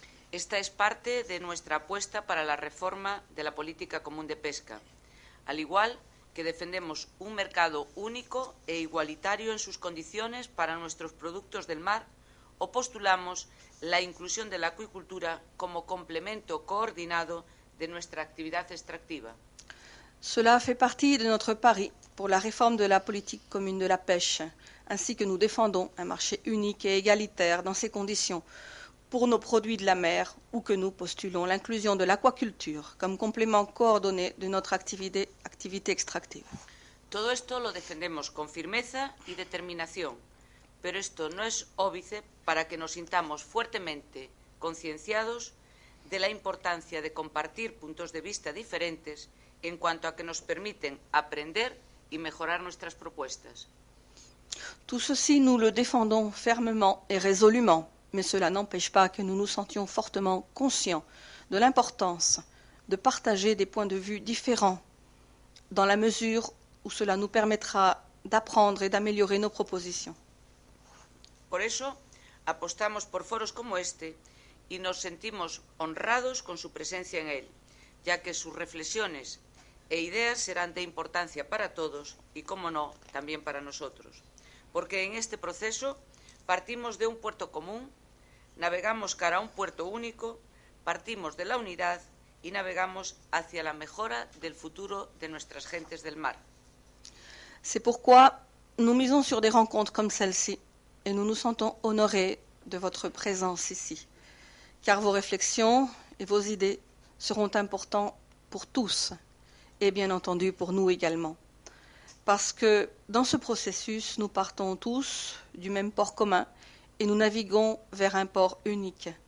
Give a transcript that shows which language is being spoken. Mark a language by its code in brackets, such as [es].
[es] Esta es parte de nuestra apuesta para la reforma de la política común de pesca. Al igual que defendemos un mercado único e igualitario en sus condiciones para nuestros productos del mar, o postulamos la inclusión de la acuicultura como complemento coordinado de nuestra actividad extractiva. [fr] Cela fait partie de notre pari pour la réforme de la politique commune de la pêche, ainsi que nous défendons un marché unique et égalitaire dans ces conditions pour nos produits de la mer, ou que nous postulons l'inclusion de l'aquaculture comme complément coordonné de notre activité extractive. [es] Todo esto lo defendemos con firmeza y determinación, pero esto no es óbice para que nos sintamos fuertemente concienciados de la importancia de compartir puntos de vista diferentes en cuanto a que nos permiten aprender y mejorar nuestras propuestas. [fr] Tout ceci, nous le défendons fermement et résolument, mais cela n'empêche pas que nous nous sentions fortement conscients de l'importance de partager des points de vue différents dans la mesure où cela nous permettra d'apprendre et d'améliorer nos propositions. [es] Por eso apostamos por foros como este y nos sentimos honrados con su presencia en él, ya que sus reflexiones e ideas serán de importancia para todos y, como no, también para nosotros. Porque en este proceso partimos de un puerto común, navegamos cara a un puerto único, partimos de la unidad y navegamos hacia la mejora del futuro de nuestras gentes del mar. [fr] C'est pourquoi Nous misons sur des rencontres comme celle-ci et nous nous sentons honorés de votre présence ici, car vos réflexions et vos idées seront importantes pour tous et bien entendu pour nous également. Parce que dans ce processus, nous partons tous du même port commun et nous naviguons vers un port unique.